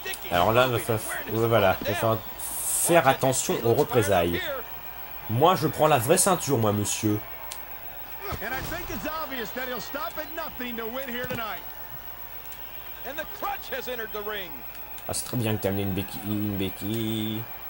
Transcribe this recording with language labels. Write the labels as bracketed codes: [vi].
[fr] Alors là, voilà, il va falloir faire attention aux représailles. Moi, je prends la vraie ceinture, moi, monsieur. [en] And I think it's obvious that he'll stop at nothing to win here tonight. And the crutch has entered the ring. [fr] Ah, c'est très bien que t'as amené une béquille.